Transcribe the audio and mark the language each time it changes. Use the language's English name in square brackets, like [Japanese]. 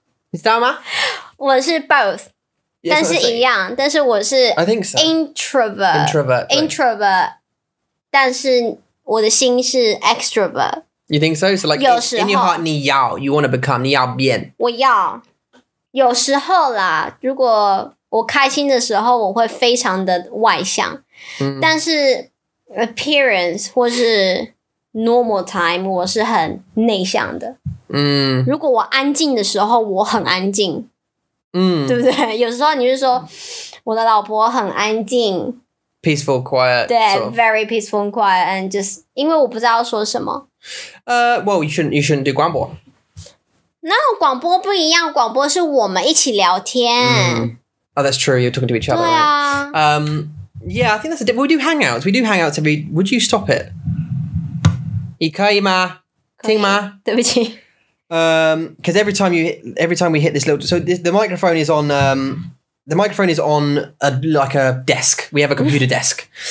[Chinese] 你知道吗？我是 both, [English] yes, [Chinese] 但是一样。但是我是 [English] I think so. [Chinese] Introvert, 但是我的心是 extrovert. [English] You think so? So like, in your heart, [Chinese] 你要, [English] you want to become, [Chinese] 你要变。我要。有时候啦，如果我开心的时候，我会非常的外向。 Mm-hmm. 但是 appearance 或是 normal time 我是很内向的、 mm-hmm. 如果我安静的时候我很安静、 mm-hmm. 对不对有时候你就说我的老婆很安静 [English] peaceful quiet [Chinese] 对、 [English] sort of. very peaceful and quiet and just [Chinese] 因为我不知道说什么、 [English] well you shouldn't do 广播 [Chinese] 那广播不一样广播是我们一起聊天、 [English] mm-hmm. oh that's true you're talking to each other [Chinese] 对啊、 [English] right? Yeah, I think that's a dip. We do hangouts. We do hangouts every... Would you stop it? [Chinese] 你可以吗?听吗? 对不起。 [English] Because every time we hit this little... So the microphone is on... the microphone is on a like a desk. We have a computer desk.